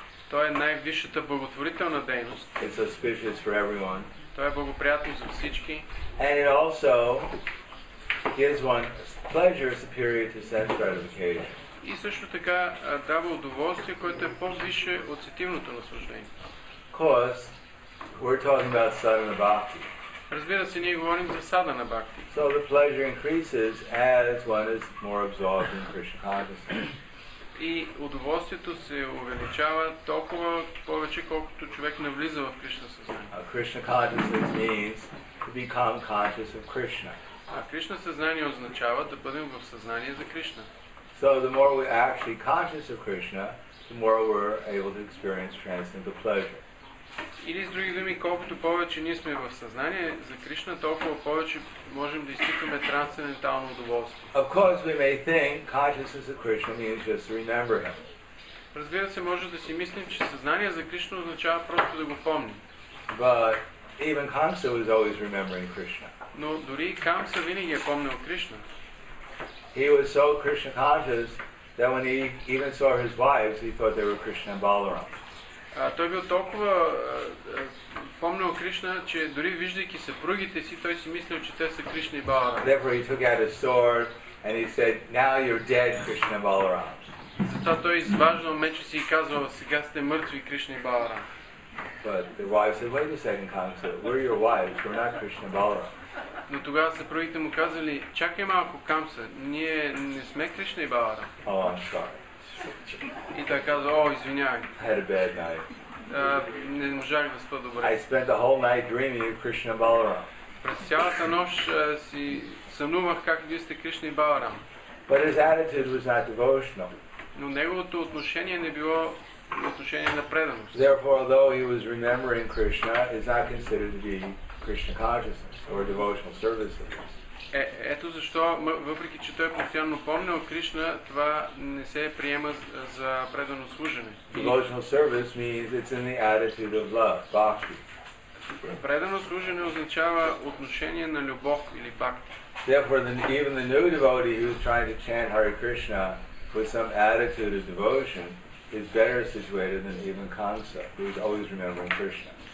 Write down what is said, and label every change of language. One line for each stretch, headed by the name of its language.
Bulgarian: Той е най-висшата благотворителна дейност.
English: It's auspicious for everyone.
Bulgarian: Той е благоприятен за всички.
English: And it also gives one pleasure superior to sense gratification.
Bulgarian: И също така дава удоволствие, което е по-висше от сетивното наслаждение.
English: Because we're talking about sadhana bhakti.
Bulgarian: Разбира се, ние говорим за sadhana bhakti.
English: So the pleasure increases as one is more absorbed in Krishna consciousness.
Bulgarian: И удоволствието се увеличава толкова повече, колкото човек навлиза в Кришна съзнание.
English: Krishna consciousness means to become conscious of Krishna.
Bulgarian: А Кришна съзнание означава да бъдем в съзнание за Кришна.
English: So the more we're actually conscious of Krishna, the more we're able to experience transcendental pleasure.
Bulgarian: Или с други думи, колкото повече ние сме в съзнание за Кришна, толкова повече можем да изпитваме трансцендентално удоволствие.
English: Of course, we may think consciousness of Krishna means just to remember him.
Bulgarian: Разбира се, може да си мислим, че съзнание за Кришна означава просто да го помним.
English: But even Kamsa was always remembering Krishna.
Bulgarian: Но дори Камса винаги е помнил Кришна.
English: he was so Krishna conscious that when he even saw his wives, he thought they were Krishna and Balaram.
Bulgarian: Той бил толкова помнил Кришна, че дори виждайки съпругите си, той си мислил, че те са Кришна и Баларам.
English: Therefore he took out his sword and he said, "Now you're dead, Krishna and Balaram."
Bulgarian: Затова той изваждал меча си и казвал, сега сте мъртви, Кришна и Баларам.
English: But the wife said, "Wait a second, Kamsa. We're your wives. We're not Krishna and Balaram."
Bulgarian: Но тогава съпругите му казали, чакай малко, Камса, ние не сме Кришна и Баларам.
English: Oh, I'm sorry.
Bulgarian: И той казва, о, извинявай.
English: I had a bad night.
Bulgarian: Не можах да спа добре.
English: I spent the whole night dreaming of Krishna Balaram.
Bulgarian: През цялата нощ си сънувах как вие сте Кришна и Баларам.
English: But his attitude was not devotional.
Bulgarian: Но неговото отношение не било отношение на преданост.
English: Therefore, although he was remembering Krishna, it's not considered to be Krishna consciousness or devotional service.
Bulgarian: Ето защо, въпреки че той постоянно помнил Кришна, това не се приема за предано служене.
English: Devotional service means it's in the attitude of love, bhakti.
Bulgarian: Предано служене означава отношение на любов или бхакти.
English: Therefore, even the new devotee who is trying to chant Hare Krishna with some attitude of devotion is better situated than even Kamsa, who is always remembering Krishna.